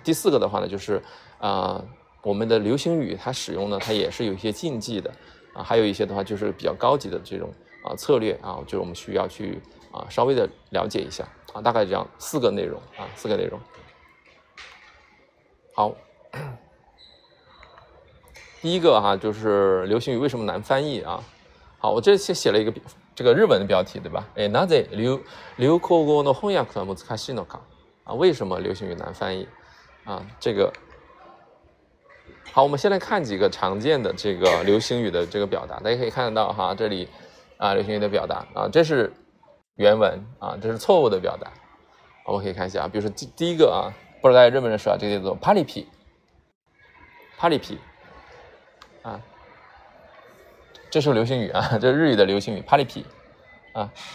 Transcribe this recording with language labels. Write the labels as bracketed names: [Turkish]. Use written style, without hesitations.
[Chinese] 第四个的话呢，就是我们的流行语它使用呢它也是有一些禁忌的啊，还有一些的话就是比较高级的这种策略啊，就是我们需要去稍微的了解一下啊，大概这样四个内容啊，四个内容。好，第一个哈、就是流行语为什么难翻译啊？好，我这先写了一个这个日文的标题对吧？ [Japanese] 哎，なぜ流行語の翻訳は難しいのか？ [Chinese] 啊，为什么流行语难翻译啊？这个好，我们先来看几个常见的这个流行语的这个表达，大家可以看得到哈，这里。啊，流行语的表达啊，这是原文啊，这是错误的表达。我们可以看一下啊，比如说第一个啊，不知道大家认不认识啊，这个叫做“帕里皮”，帕里皮啊，这是流行语啊，这是日语的流行语“帕里皮”啊。